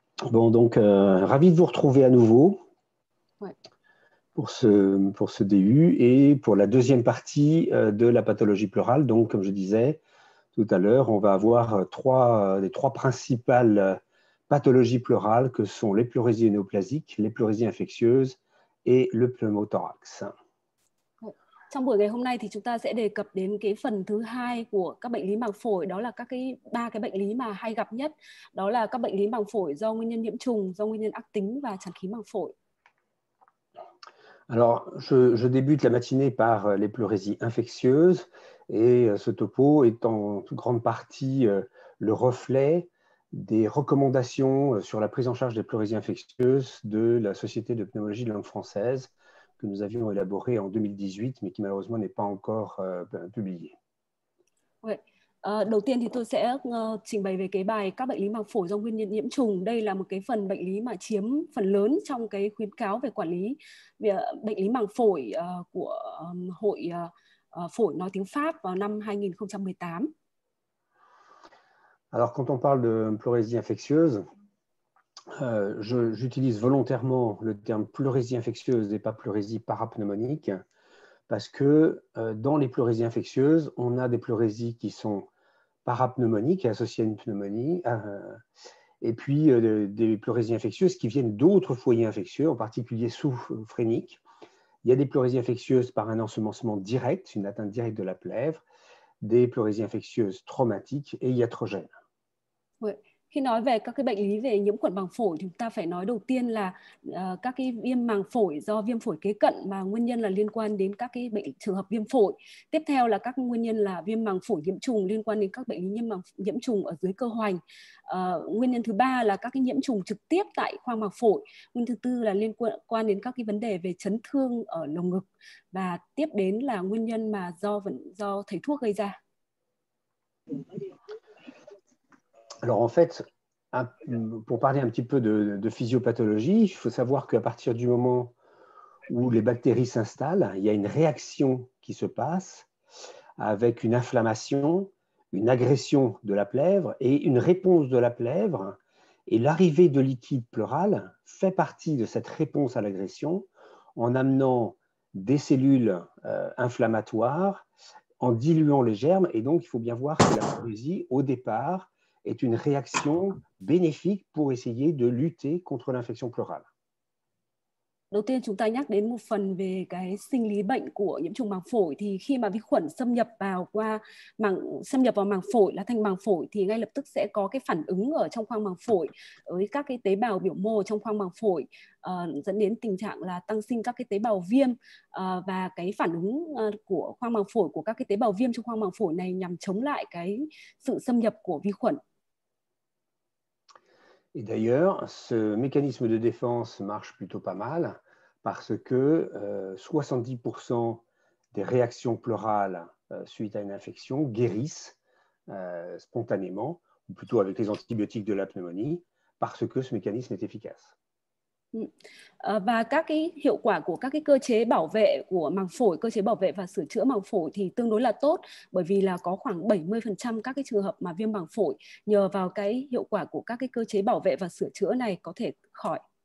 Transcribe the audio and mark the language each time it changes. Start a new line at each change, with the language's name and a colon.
French: Bon, donc, ravi de vous retrouver à nouveau pour ce DU et pour la deuxième partie de la pathologie pleurale. Donc, comme je disais tout à l'heure, on va avoir les trois principales pathologies pleurales que sont les pleurésies néoplasiques, les pleurésies infectieuses et le pneumothorax.
Vietnamese: Trong buổi ngày hôm nay thì chúng ta sẽ đề cập đến cái phần thứ hai của các bệnh lý màng phổi, đó là các cái ba cái bệnh lý mà hay gặp nhất, đó là các bệnh lý màng phổi do nguyên nhân nhiễm trùng, do nguyên nhân ác tính và tràn khí màng phổi.
French: Alors, je débute la matinée par les pleurésies infectieuses et ce topo est en grande partie le reflet des recommandations sur la prise en charge des pleurésies infectieuses de la Société de pneumologie de langue française que nous avions élaborée en 2018, mais qui malheureusement n'est pas encore publiée. Ouais.
Vietnamese: Đầu tiên thì tôi sẽ trình bày về cái bài các bệnh lý màng phổi do nguyên nhân nhiễm trùng. Đây là một cái phần bệnh lý mà chiếm phần lớn trong cái khuyến cáo về quản lý bệnh lý màng phổi của Hội Phổi nói tiếng Pháp vào năm 2018.
French: Alors, quand on parle de pleurésie infectieuse, j'utilise volontairement le terme pleurésie infectieuse et pas pleurésie parapneumonique, parce que dans les pleurésies infectieuses, on a des pleurésies qui sont parapneumoniques et associées à une pneumonie, et puis des pleurésies infectieuses qui viennent d'autres foyers infectieux, en particulier sous-phréniques. Il y a des pleurésies infectieuses par un ensemencement direct, une atteinte directe de la plèvre, des pleurésies infectieuses traumatiques et iatrogènes. Oui,
Vietnamese: Khi nói về các cái bệnh lý về nhiễm khuẩn màng phổi, chúng ta phải nói đầu tiên là các cái viêm màng phổi do viêm phổi kế cận mà nguyên nhân là liên quan đến các cái bệnh trường hợp viêm phổi. Tiếp theo là các nguyên nhân là viêm màng phổi nhiễm trùng liên quan đến các bệnh lý nhiễm trùng ở dưới cơ hoành. Nguyên nhân thứ ba là các cái nhiễm trùng trực tiếp tại khoang màng phổi. Nguyên nhân thứ tư là liên quan đến các cái vấn đề về chấn thương ở lồng ngực. Và tiếp đến là nguyên nhân mà do thầy thuốc gây ra.
French: Alors en fait, pour parler un petit peu de physiopathologie, il faut savoir qu'à partir du moment où les bactéries s'installent, il y a une réaction qui se passe avec une inflammation, une agression de la plèvre et une réponse de la plèvre. Et l'arrivée de liquide pleural fait partie de cette réponse à l'agression en amenant des cellules inflammatoires, en diluant les germes. Et donc, il faut bien voir que la pleurésie, au départ, est une réaction bénéfique pour essayer de lutter contre l'infection pleurale.
Vietnamese: Đầu tiên chúng ta nhắc đến một phần về cái sinh lý bệnh của nhiễm trùng màng phổi, thì khi mà vi khuẩn xâm nhập vào màng phổi là thành màng phổi thì ngay lập tức sẽ có cái phản ứng ở trong khoang màng phổi với các cái tế bào biểu mô trong khoang màng phổi, dẫn đến tình trạng là tăng sinh các cái tế bào viêm, và cái phản ứng của khoang màng phổi của các cái tế bào viêm trong khoang màng phổi này nhằm chống lại cái sự xâm nhập của vi khuẩn.
French: Et d'ailleurs, ce mécanisme de défense marche plutôt pas mal parce que 70% des réactions pleurales suite à une infection guérissent spontanément, ou plutôt avec les antibiotiques de la pneumonie, parce que ce mécanisme est efficace.
Vietnamese: Và các cái hiệu quả của các cái cơ chế bảo vệ của màng phổi, cơ chế bảo vệ và sửa chữa màng phổi thì tương đối là tốt, bởi vì là có khoảng 70% các cái trường hợp mà viêm màng phổi nhờ vào cái hiệu quả của các cái cơ chế bảo vệ và sửa chữa này có thể khỏi.